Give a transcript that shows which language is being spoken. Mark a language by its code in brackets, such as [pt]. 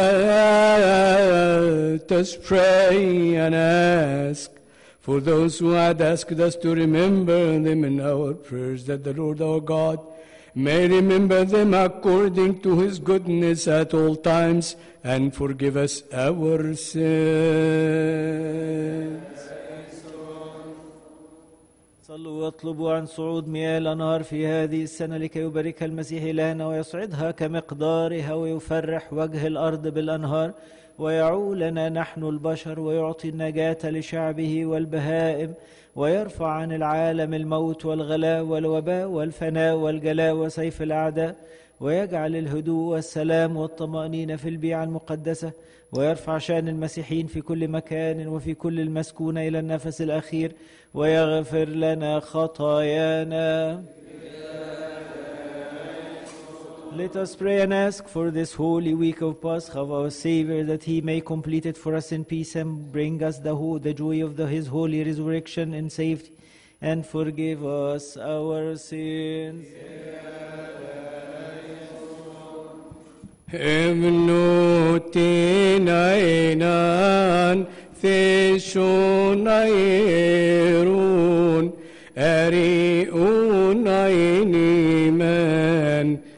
[en] Let us pray and ask for those who had asked us to remember them in our prayers, that the Lord our God may remember them according to his goodness at all times and forgive us our sins. [ar] صلوا واطلبوا عن صعود مياه الأنهار في هذه السنة لكي يبارك المسيح إلهنا ويصعدها كمقدارها ويفرح وجه الأرض بالأنهار ويعولنا نحن البشر ويعطي النجاة لشعبه والبهائم ويرفع عن العالم الموت والغلاء والوباء والفناء والجلاء وسيف الأعداء ويجعل الهدوء والسلام والطمأنينة في البيعة المقدسة ويرفع شأن المسيحيين في كل مكان وفي كل المسكونة إلى النفس الأخير ويغفر لنا خطايانا. [en] Let us pray and ask for this holy week of Pascha of our Savior, that he may complete it for us in peace and bring us the joy of his holy resurrection in safety and forgive us our sins.